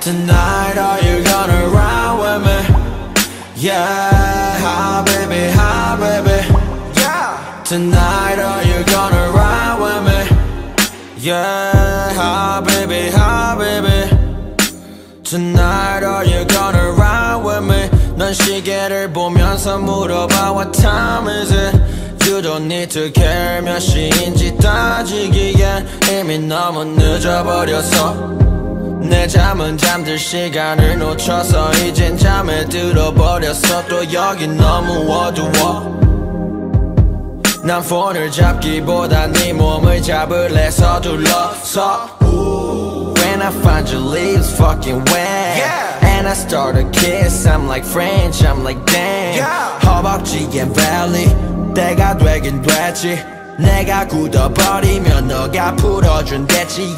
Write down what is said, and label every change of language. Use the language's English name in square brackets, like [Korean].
[English] Tonight, are you gonna ride with me? Yeah. Hi, baby, hi, baby. Yeah. Tonight, are you gonna ride with me? Yeah. Hi, baby, hi, baby. Tonight, are you gonna ride with me? [Korean] 난 시계를 보면서 물어봐, [English] what time is it? You don't need to care [Korean] 몇 시인지 따지기엔 이미 너무 늦어버렸어. 내 잠은 잠들 시간을 놓쳐서 이젠 잠에 들어버렸어. 또 여기 너무 어두워. 난 폰을 잡기보다 네 몸을 잡을래 서둘러서. [English] When I find your leaves fucking wet, yeah. And I start a kiss, I'm like French, I'm like damn, yeah. [Korean] 허벅지에 valley 내가 되긴 됐지. 내가 굳어버리면 너가 풀어준댔지.